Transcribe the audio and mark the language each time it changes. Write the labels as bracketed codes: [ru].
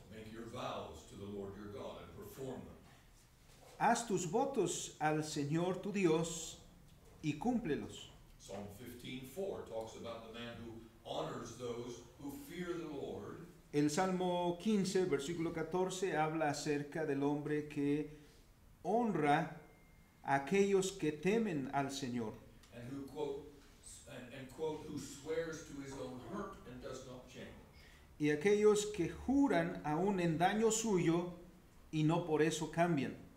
[en] Make your vows to the Lord your God and perform them. [es] Haz tus votos al Señor tu Dios y cúmplelos. [en] Psalm 15:4 talks about the man who honors those who fear the Lord. [es] El Salmo 15, versículo 14, habla acerca del hombre que honra a aquellos que temen al Señor. [en] And who quote, who swears to his own hurt and does not change. [es] Y aquellos que juran aún en daño suyo y no por eso cambian.